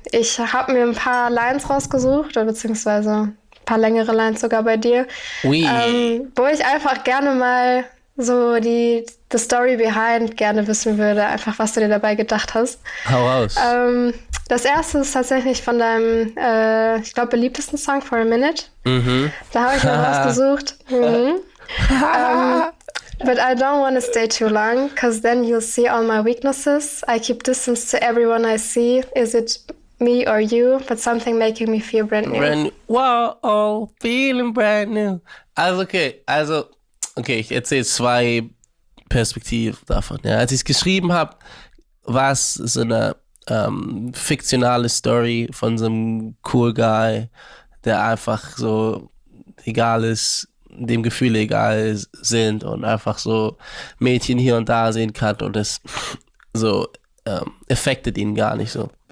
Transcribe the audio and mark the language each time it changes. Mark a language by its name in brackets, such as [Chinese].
[German] Ich habe mir ein paar Lines rausgesucht, beziehungsweise ein paar längere Lines sogar bei dir, wo ich einfach gerne mal so die Story behind gerne wissen würde, einfach was du dir dabei gedacht hast. Hau raus. Das erste ist tatsächlich von deinem, ich glaube, beliebtesten Song, For a Minute. Mhm. Da habe ich mal rausgesucht. Mhm. [English] But I don't want to stay too long, because then you'll see all my weaknesses. I keep distance to everyone I see. Is it me or you? But something making me feel brand new. Wow, feeling brand new. [German] Also, okay, ich erzähle zwei Perspektiven davon. Ja. Als ich es geschrieben habe, war es so eine fiktionale Story von so einem cool Guy, der einfach so egal ist, dem Gefühle egal sind und einfach so Mädchen hier und da sehen kann und das so affected ihn gar nicht so.